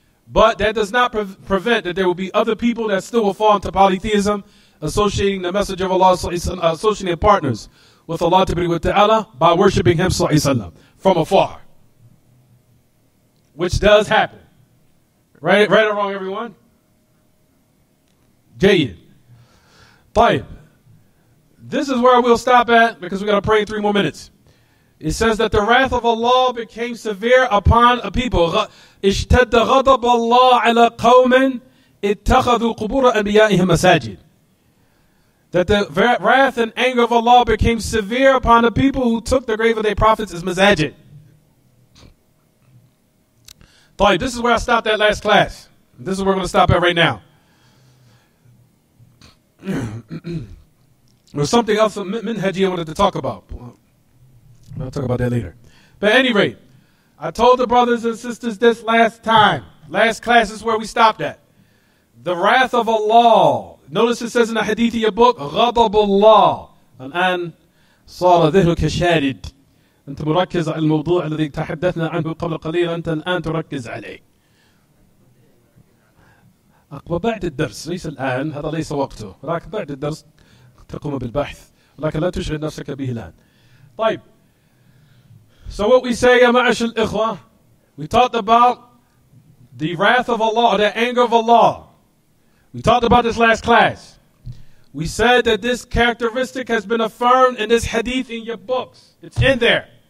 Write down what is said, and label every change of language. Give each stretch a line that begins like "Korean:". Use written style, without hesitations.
English: But that does not prevent that there will be other people that still will fall into polytheism, associating the Messenger of Allah, associating their partners with Allah Ta'ala, by worshiping Him
Arabic: وسلم,
English: from afar. Which does happen. Right or wrong, everyone? Jayyid. Tayyib. This is where we'll stop at because we've got to pray 3 more minutes. It says that the wrath of Allah became severe upon a people.
Arabic: اشتدَّ غضب الله على قوم اتخذوا قبور أنبيائهم مساجد.
English: That the wrath and anger of Allah became severe upon the people who took the grave of their prophets as masajid. طيب, this is where I stopped that last class. This is where we're going to stop at right now. There's something else that Minhaji wanted to talk about. I'll talk about that later. But at any rate, I told the brothers and sisters this last time. Last class is where we stopped at. The wrath of Allah. Notice it says in the hadith of your book,
Arabic: غضب الله الآن صار ذهنك شارد. أنت مركز على الموضوع الذي تحدثنا عنه قبل قليل أنت الآن تركز عليه. أقوى بعد الدرس ليس الآن هذا ليس وقته ولكن بعد الدرس تقوم بالبحث ولكن لا تشغل نفسك به الآن. طيب.
English: So what we say, ya ma'ash al-ikhwa, we talked about the wrath of Allah, the anger of Allah. We talked about this last class. We said that this characteristic has been affirmed in this hadith in your books. It's in there.